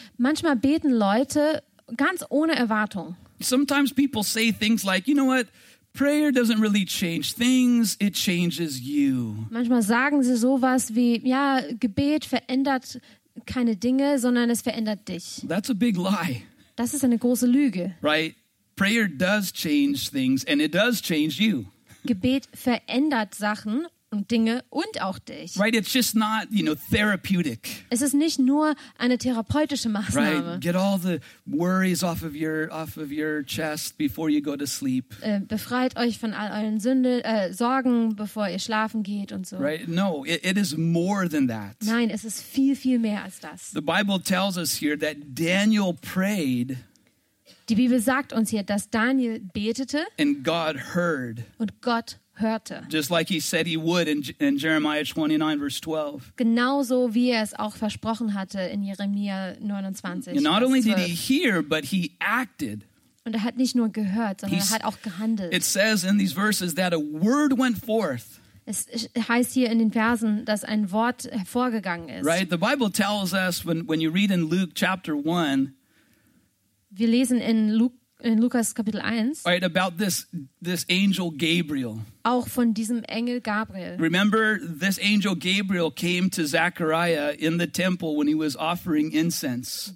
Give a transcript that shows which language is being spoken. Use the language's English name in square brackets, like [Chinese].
[German] Manchmal beten Leute ganz ohne Erwartung. [English] Sometimes people say things like, you know what, prayer doesn't really change things, it changes you. [German] Manchmal sagen sie sowas wie, ja, Gebet verändert keine Dinge, sondern es verändert dich. [English] That's a big lie. [German] Das ist eine große Lüge. [English] Right. Prayer does change things and it does change you. [German] Gebet verändert Sachen und Dinge und auch dich. [English] Right, it's just not, you know, therapeutic. [German] Es ist nicht nur eine therapeutische Maßnahme. [English] Right, get all the worries off of your chest before you go to sleep. [German] Befreit euch von all euren Sorgen, bevor ihr schlafen geht und so. [English] Right, no, it is more than that. [German] Nein, es ist viel, viel mehr als das. [English] The Bible tells us here that Daniel prayed. [German] Die Bibel sagt uns hier, dass Daniel betete [English] and God heard. [German] Und Gott hörte. [English] Just like he said he would in Jeremiah 29, verse 12. [German] Genauso wie er es auch versprochen hatte in Jeremia 29, [English] and not only did he hear, but he acted. [German] Und er hat nicht nur gehört, sondern er hat auch gehandelt. [English] It says in these verses that a word went forth. [German] Es heißt hier in den Versen, dass ein Wort hervorgegangen ist. [English] Right? The Bible tells us, when you read in Luke chapter 1, [German] wir lesen in Lukas Kapitel 1 [English] right, about this angel Gabriel. [German] Auch von diesem Engel Gabriel. [English] Remember, this angel Gabriel came to Zechariah in the temple when he was offering incense.